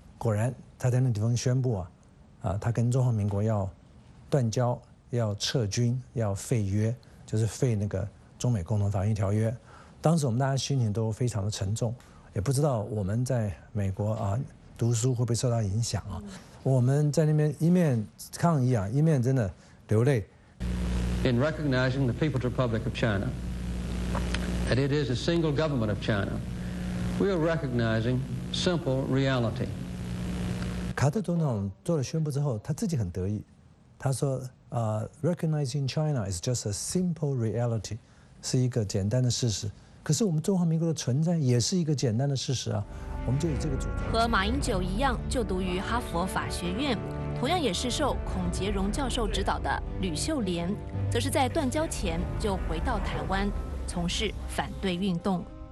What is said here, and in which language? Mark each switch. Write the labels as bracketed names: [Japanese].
[Chinese] 果然他在那地方宣布啊他跟中华民国要断交，要撤军，要废约，就是废那个中美共同防御条约。当时我们大家心情都非常的沉重，也不知道我们在美国啊读书会不会受到影响啊。我们在那边一面抗议啊，一面真的流泪。 [English] In recognizing the People's Republic of China, that it is a single government of China, we are recognizing simple reality. [Chinese] 卡特总统做了宣布之后，他自己很得意，他说： [English] “recognizing China is just a simple reality， [Chinese] 是一个简单的事实。可是我们中华民国的存在也是一个简单的事实啊，我们就以这个主张。” 和马英九一样，就读于哈佛法学院。同样也是受孔杰荣教授指导的吕秀莲，则是在断交前就回到台湾从事反对运动。